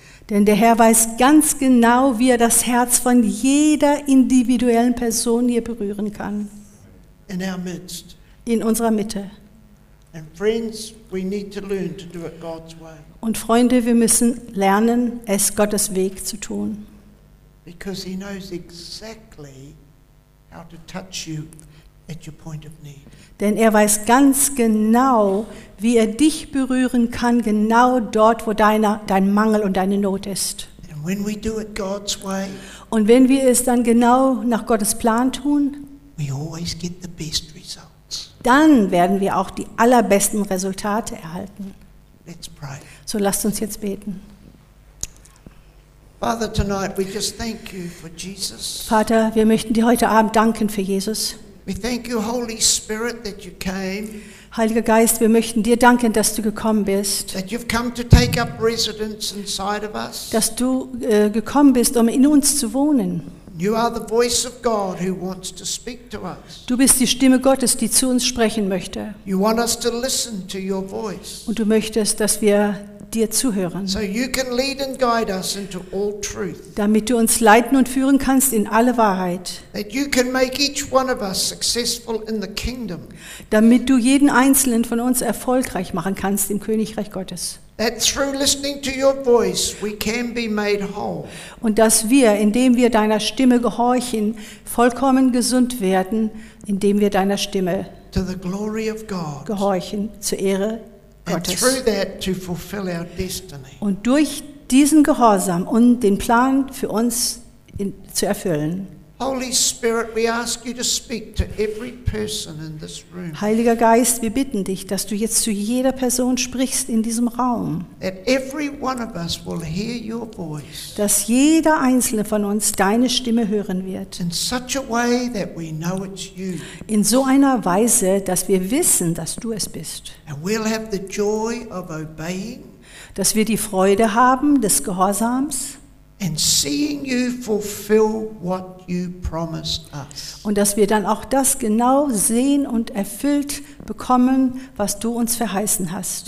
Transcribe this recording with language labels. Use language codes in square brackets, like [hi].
[de] Denn der Herr weiß ganz genau, wie er das Herz von jeder individuellen Person hier berühren kann. [en] In our midst. [de] In unserer Mitte. [en] And friends, we need to learn to do it God's way. [de] Und Freunde, wir müssen lernen, es Gottes Weg zu tun. [en] Because he knows exactly how to touch you at your point of need. [de] Denn er weiß ganz genau, wie er dich berühren kann, genau dort, wo dein Mangel und deine Not ist. [en] And when we do it God's way, [de] und wenn wir es dann genau nach Gottes Plan tun, [en] we always get the best result. [de] Dann werden wir auch die allerbesten Resultate erhalten. [en] Let's pray. [de] So lasst uns jetzt beten. [en] Father, tonight we just thank you for Jesus. [de] Vater, wir möchten dir heute Abend danken für Jesus. [en] We thank you, Holy Spirit, that you came. [de] Heiliger Geist, wir möchten dir danken, dass du gekommen bist. [en] That you've come to take up residence inside of us. [de] Dass du gekommen bist, um in uns zu wohnen. [en] You are the voice of God who wants to speak to us. [de] Du bist die Stimme Gottes, die zu uns sprechen möchte. [en] You want us to listen to your voice. [de] Und du möchtest, dass wir dir zuhören. [en] So you can lead and guide us into all truth. [de] Damit du uns leiten und führen kannst in alle Wahrheit. [en] That you can make each one of us successful in the kingdom. [de] Damit du jeden einzelnen von uns erfolgreich machen kannst im Königreich Gottes. [en] That through listening to your voice we can be made whole. [de] Und dass wir, indem wir deiner Stimme gehorchen, vollkommen gesund werden, indem wir deiner Stimme [en] to the glory of God. [de] Gehorchen zur Ehre [en] and [de] Gottes. [en] Through that to fulfill our destiny. [de] Und durch diesen Gehorsam und den Plan für uns zu erfüllen. [en] Holy Spirit, we ask you to speak to every person in this room. [de] Heiliger Geist, wir bitten dich, dass du jetzt zu jeder Person sprichst in diesem Raum. [en] That every one of us will hear your voice. [de] Dass jeder einzelne von uns deine Stimme hören wird. [en] In such a way that we know it's you. [de] In so einer Weise, dass wir wissen, dass du es bist. [en] And we'll have the joy of obeying. [de] Dass wir die Freude haben des Gehorsams. [en] And seeing you fulfill what you promised us. [de] Und dass wir dann auch das genau sehen und erfüllt bekommen, was du uns verheißen hast.